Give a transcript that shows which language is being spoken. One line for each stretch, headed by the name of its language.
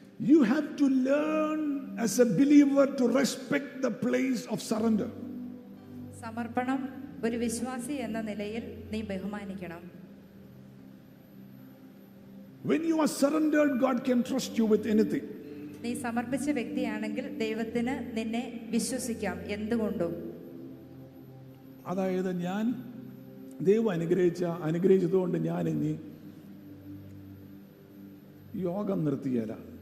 English: You have to learn as a believer to respect the place of surrender.
Malayalam: സമർപ്പണം ഒരു വിശ്വാസി എന്ന നിലയിൽ നീ ബഹുമാനിക്കണം.
English: When you are surrendered, God can trust you with anything.
Malayalam: നീ സമർപ്പിച്ച വ്യക്തിയാണെങ്കിൽ ദൈവത്തിന് നിന്നെ വിശ്വസിക്കാം എന്തുകൊണ്ടും. അതായത് ഞാൻ ദൈവം അനുഗ്രഹിച്ചതുകൊണ്ട് ഞാൻ ഇനി യോഗം നിർത്തിയാല.